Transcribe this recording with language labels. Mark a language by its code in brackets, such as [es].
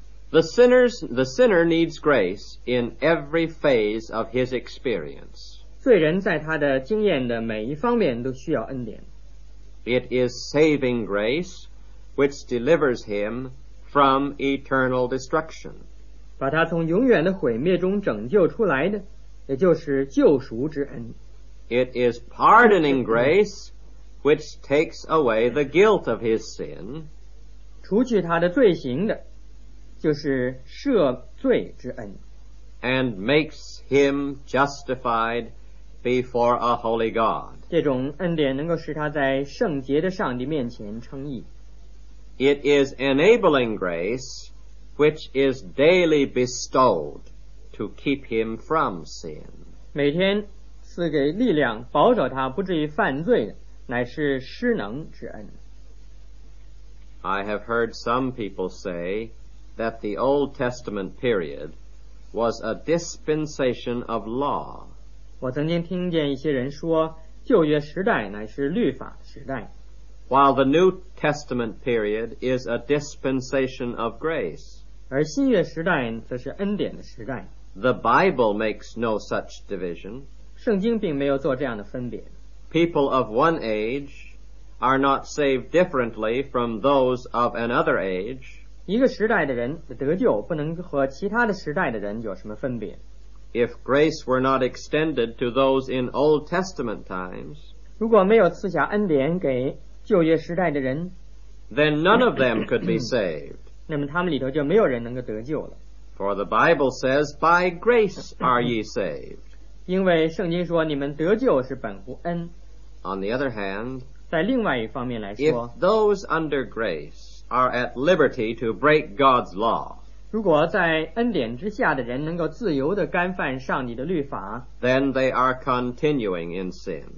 [en] The sinner needs grace in every phase of his experience. [zh] 罪人在他的经验的每一方面都需要恩典。 [en] It is saving grace which delivers him from eternal destruction. [zh] 把他从永远的毁灭中拯救出来的，也就是救赎之恩。 [en] It is pardoning grace which takes away the guilt of his sin. [zh] 除去他的罪行的，就是赦罪之恩。 [en] And makes him justified before a holy God. [zh] 这种恩典能够使他在圣洁的上帝面前称义。 [en] It is enabling grace which is daily bestowed to keep him from sin. [zh] 每天赐给力量保守他不至于犯罪的，乃是施能之恩。 [en] I have heard some people say that the Old Testament period was a dispensation of law. [zh] 我曾经听见一些人说，旧约时代乃是律法时代。 [en] While the New Testament period is a dispensation of grace. [zh] 而新约时代则是恩典的时代。 [en] The Bible makes no such division. [zh] 圣经并没有做这样的分别。 [en] People of one age are not saved differently from those of another age. [zh] 一个时代的人的得救不能和其他的时代的人有什么分别。 [en] If grace were not extended to those in Old Testament times, [zh] 如果没有赐下恩典给旧约时代的人， [en] then none of them could be saved. [zh] 那么他们里头就没有人能够得救了。 [en] For the Bible says, by grace are ye saved. [zh] 因为圣经说你们得救是本乎恩。 [en] On the other hand, [zh] 在另外一方面来说， [en] if those under grace are at liberty to break God's law, [zh] 如果在恩典之下的人能够自由地干犯上帝的律法， [en] then they are continuing in sin.